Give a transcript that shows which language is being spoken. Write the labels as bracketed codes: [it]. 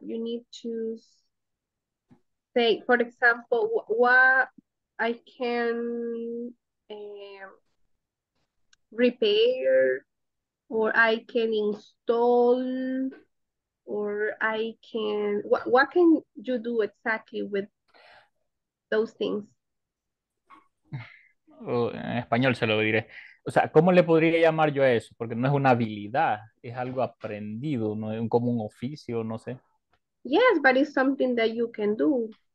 [en] You need to say, for example, what I can repair, or I can install. What can you do exactly with those things? [es] En español se lo diré. O sea, ¿cómo le podría llamar yo a eso? Porque no es una habilidad, es algo aprendido, no es como un oficio, no sé. [en] Yes, but it's something that you can do.